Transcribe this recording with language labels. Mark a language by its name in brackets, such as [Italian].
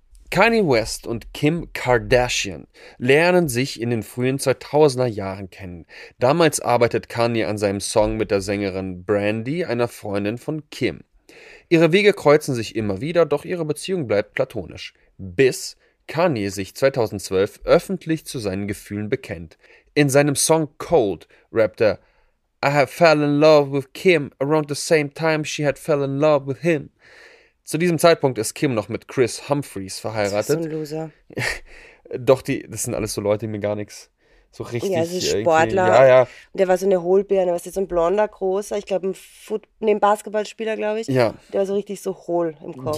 [German] Kanye West und Kim Kardashian lernen sich in den frühen 2000er Jahren kennen. Damals arbeitet Kanye an seinem Song mit der Sängerin Brandy, einer Freundin von Kim. Ihre Wege kreuzen sich immer wieder, doch ihre Beziehung bleibt platonisch. Bis Kanye sich 2012 öffentlich zu seinen Gefühlen bekennt. In seinem Song Cold rappt er: [English] I have fell in love with Kim around the same time she had fell in love with him. [German] Zu diesem Zeitpunkt ist Kim noch mit Chris Humphries verheiratet. Das ist so ein Loser. Doch, das sind alles so Leute, die mir gar nichts so richtig... Ja, das ist Sportler. Ja, ja. Der war so eine Hohlbirne, was ist so ein blonder, großer, ich glaube ein Basketballspieler, glaube ich. Ja. Der war so richtig so hohl im Kopf.